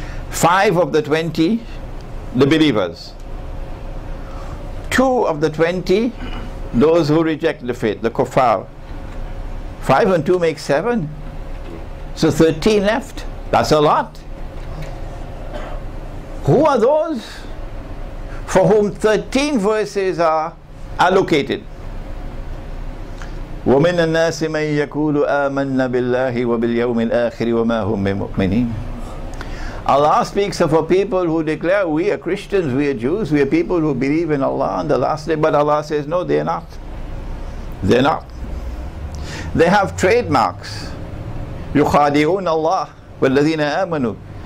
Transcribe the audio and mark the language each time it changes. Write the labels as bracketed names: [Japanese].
[English] 5 of the 20, the believers. 2 of the 20, those who reject the faith, the kuffar. 5 and 2 make 7. So 13 left. That's a lot. Who are those for whom 13 verses are allocated? [Arabic] ومن الناس من يقول آمنا بالله وباليوم الآخر وما هم بمؤمنين. [English] Allah speaks of a people who declare, we are Christians, we are Jews, we are people who believe in Allah on the last day. But Allah says, no, they are not. They are not. They have trademarks. [Arabic] يُخَادِعُونَ اللَّهِ وَالَّذِينَ آمَنُوا.